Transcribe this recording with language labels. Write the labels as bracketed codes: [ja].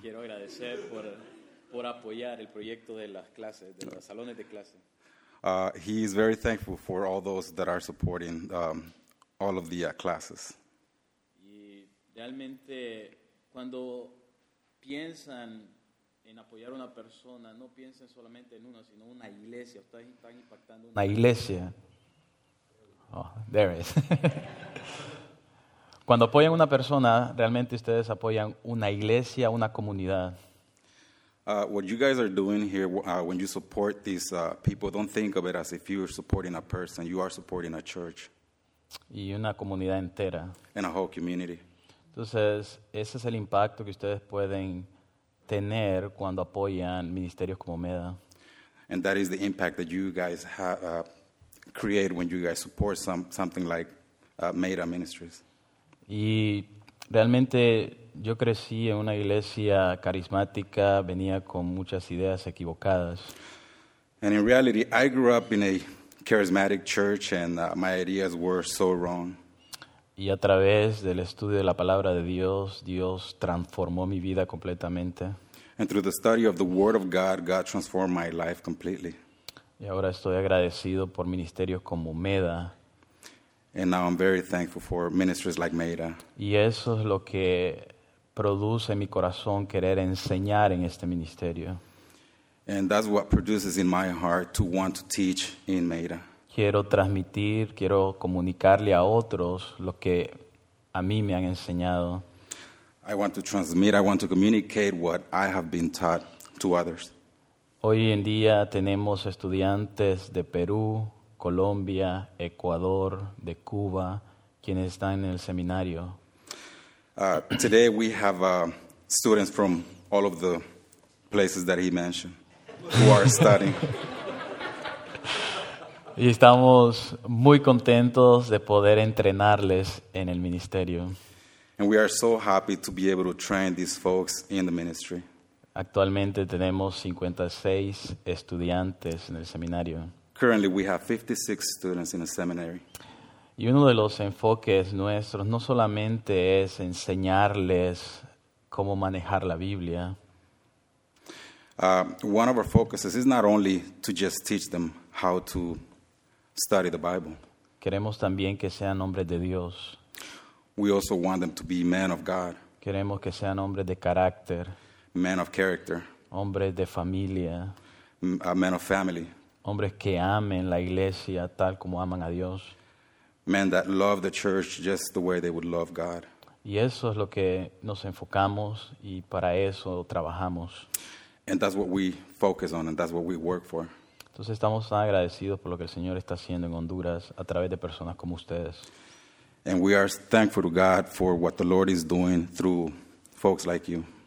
[es] Quiero agradecer por apoyar el proyecto de las clases, de los salones de clase. [en] He is very thankful for all those that are supporting all of the classes. [es] Y realmente, cuando piensan en apoyar a una persona, no piensen solamente en una, sino una iglesia. Ustedes están impactando una iglesia. [en] Oh, there it is. [es] Cuando apoyan una persona, realmente ustedes apoyan una iglesia, una comunidad. [en] What you guys are doing here, when you support these people, don't think of it as if you're supporting a person. You are supporting a church. [es] Y una comunidad entera. [en] And a whole community. [es] Entonces, ese es el impacto que ustedes pueden tener cuando apoyan ministerios como MEDA. [en] And that is the impact that you guys create when you guys support something like MEDA Ministries. [es] Y realmente yo crecí en una iglesia carismática, venía con muchas ideas equivocadas. [en] And in reality, I grew up in a charismatic church and my ideas were so wrong. [es] Y a través del estudio de la palabra de Dios, Dios transformó mi vida completamente. [en] And through the study of the word of God, God transformed my life completely. [es] Y ahora estoy agradecido por ministerios como MEDA. [en] And now I'm very thankful for ministries like MEDA. [es] Y eso es lo que produce en mi corazón querer enseñar en este ministerio. [en] And that's what produces in my heart to want to teach in MEDA. [es] Quiero transmitir, quiero comunicarle a otros lo que a mí me han enseñado. [en] I want to transmit, I want to communicate what I have been taught to others. [es] Hoy en día tenemos estudiantes de Perú, Colombia, Ecuador, de Cuba, quienes están en el seminario. [en] Today we have students from all of the places that he mentioned who are studying. [es] Y estamos muy contentos de poder entrenarles en el ministerio. [en] And we are so happy to be able to train these folks in the ministry. [es] Actualmente tenemos 56 estudiantes en el seminario. [en] Currently, we have 56 students in a seminary. [es] Y uno de los enfoques nuestros no solamente es enseñarles cómo manejar la Biblia. [en] One of our focuses is not only to just teach them how to study the Bible. [es] Queremos también que sean hombres de Dios. [en] We also want them to be men of God. [es] Queremos que sean hombres de carácter. [en] Men of character. [es] Hombres de familia. [en] Men of family. [es] Hombres que amen la iglesia tal como aman a Dios. [en] Men that love the church just the way they would love God. [es] Y eso es lo que nos enfocamos y para eso trabajamos. [en] And that's what we focus on and that's what we work for. [es] Entonces estamos tan agradecidos por lo que el Señor está haciendo en Honduras a través de personas como ustedes. [en] And we are thankful to God for what the Lord is doing through folks like you.